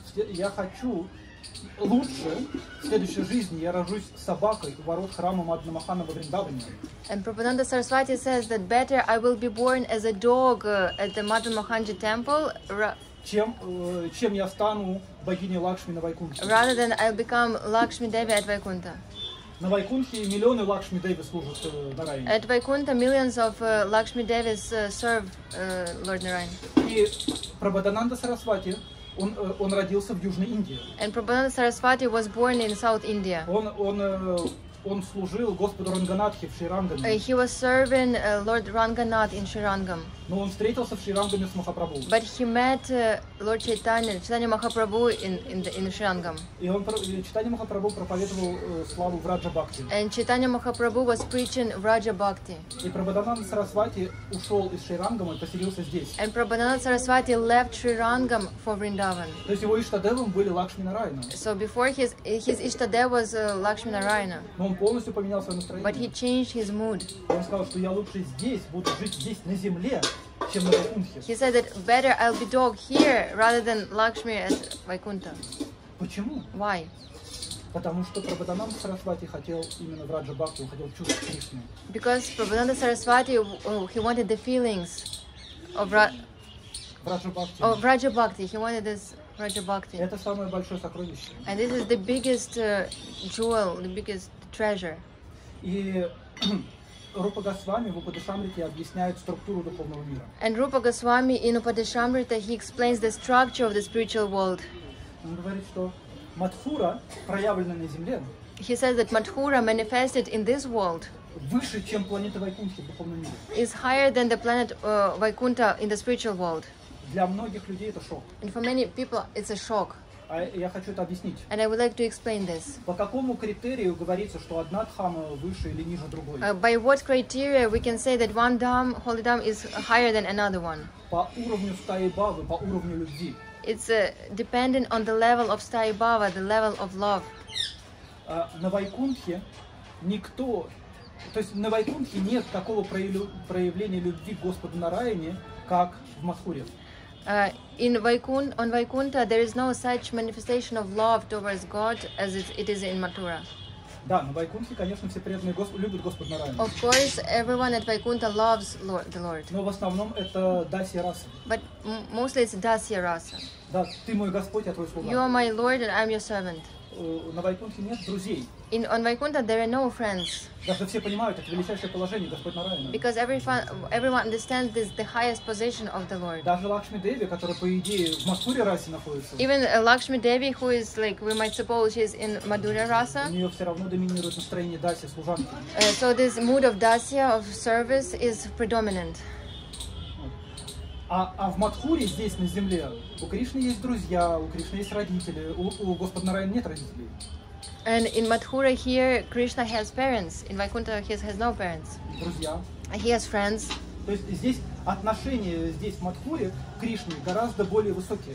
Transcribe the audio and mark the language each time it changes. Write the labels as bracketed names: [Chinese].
[Russian] я хочу лучше в следующей жизни, я рожусь собакой у ворот храма Мадхамахана во Вриндаване. [English] And Prabhupada Saraswati says that better I will be born as a dog at the Мадхамаханджи temple, [Russian] чем я стану богиней Лакшми на Вайкунте. [English] Rather than I'll become Lakshmi Devi at Vaikuntha. [Russian] На Вайкунте миллионы Лакшми Деви служат Нарайане. [English] At Vaikuntha, millions of Lakshmi Devis serve Lord Narayana. [Russian] И Прабхадананда Сарасвати, он родился в Южной Индии. [English] And Prabhupada Saraswati was born in South India. [Russian] Он служил Господу Ранганатхе в Шрирангаме. [English] He was serving Lord Ranganath in Шрирангам. [Russian] Но он встретился в Шрирангаме с Махапрабху. [English] But he met Lord Chaitanya, Chaitanya Mahaprabhu in Шрирангам. [Russian] И он Chaitanya Mahaprabhu проповедовал славу в Раджа Бхакти. [English] And Chaitanya Mahaprabhu was preaching [Russian] в Раджа Бхакти. И Прабхадананда Сарасвати ушел из Шрирангама и поселился здесь. [English] And Prabhupada Saraswati left Шрирангам for Vrindavan. [Russian] То есть его Иштадевом были Лакшми Нарайана. [English] So before his Иштадев was Лакшми Нарайана. [Russian] Но он полностью поменял свое настроение. [English] But he changed his mood. [Russian] Он сказал, что я лучше здесь буду жить здесь на земле, чем на Вайкунте. [English] He said that better I'll be dog here rather than Lakshmi at Vaikuntha. [Russian] Почему? [English] Why? [Russian] Потому что Прабхадананда Сарасвати хотел именно в Раджа Бхакти, он хотел чувствовать Кришну. [English] Because Prabhupada Saraswati, he wanted the feelings of Raja Bhakti. Of Raja Bhakti, he wanted this. Rajabhakti. [Russian] Это самое большое сокровище. [English] And this is the biggest jewel, the biggest treasure. [Russian] И Рупа Госвами в Упадешамрите объясняет структуру духовного мира. [English] And Rupa Goswami in Upadeshamrita he explains the structure of the spiritual world. [Russian] Он говорит, что Матхура, проявленная на земле. [English] He says that Матхура manifested in this world. [Russian] Выше, чем планета Вайкунтхи в духовном мире. [English] Is higher than the planet Vaikuntha in the spiritual world. [Russian] Для многих людей это шок. [English] And for many people it's a shock. [Russian] А я хочу это объяснить. [English] And I would like to explain this. [Russian] По какому критерию говорится, что одна дхама выше или ниже другой? [English] By what criteria we can say that one dham, holy dham, is higher than another one? [Russian] По уровню стаи бавы, по уровню любви. [English] It's dependent on the level of стаи бава, the level of love. [Russian] На Вайкунтхе никто, то есть на Вайкунтхе нет такого проявления любви к Господу Нараяне, как в Матхуре. [English] On Vaikuntha, there is no such manifestation of love towards God as it is in Mathura. [Russian] Да, на Вайкунтхе, конечно, все преданные любят Господа Нараяну. [English] Of course, everyone at Vaikuntha loves the Lord. [Russian] Но в основном это дасья раса. [English] But mostly it's дасья раса. [Russian] Да, ты мой Господь, я твой слуга. [English] You are my Lord and I'm your servant. [Russian] На Вайкунтхе нет друзей. [English] On Vaikuntha there are no friends. [Russian] Даже все понимают, это величайшее положение Господь Нараяна. [English] Because everyone understands this the highest position of the Lord. [Russian] Даже Лакшми Деви, которая по идее в Матхуре расе находится. [English] Even Lakshmi Devi, who is like we might suppose she's in Madhura rasa. [Russian] У нее все равно доминирует настроение дасья служанки. [English] So this mood of dasya of service is predominant. [Russian] А в Матхуре здесь на земле у Кришны есть друзья, у Кришны есть родители, у Господа Нараяна нет родителей. [English] And in Mathura here, Krishna has parents. In Vaikuntha, he has no parents. [Russian] Друзья. [English] He has friends. [Russian] То есть здесь отношения здесь в Матхуре к Кришне гораздо более высокие.